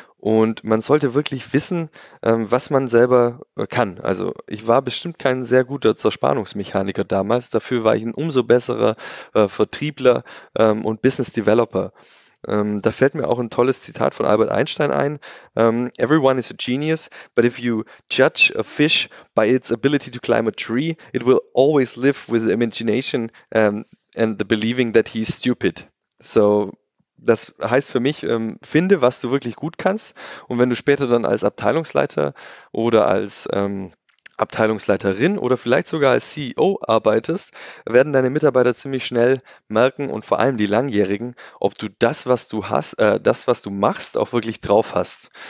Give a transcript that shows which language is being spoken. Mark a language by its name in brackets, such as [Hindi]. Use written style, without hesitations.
[German] Und man sollte wirklich wissen, was man selber kann. Also ich war bestimmt kein sehr guter Zerspannungsmechaniker damals. Dafür war ich ein umso besserer Vertriebler und Business Developer. Da fällt mir auch ein tolles Zitat von Albert Einstein ein. [English] Everyone is a genius, but if you judge a fish by its ability to climb a tree, it will always live with the imagination and the believing that he's stupid. [German] So, das heißt für mich, finde, was du wirklich gut kannst. Und wenn du später dann als Abteilungsleiter oder als Abteilungsleiterin oder vielleicht sogar als CEO arbeitest, werden deine Mitarbeiter ziemlich schnell merken und vor allem die Langjährigen, ob du das, was du hast, das, was du machst, auch wirklich drauf hast.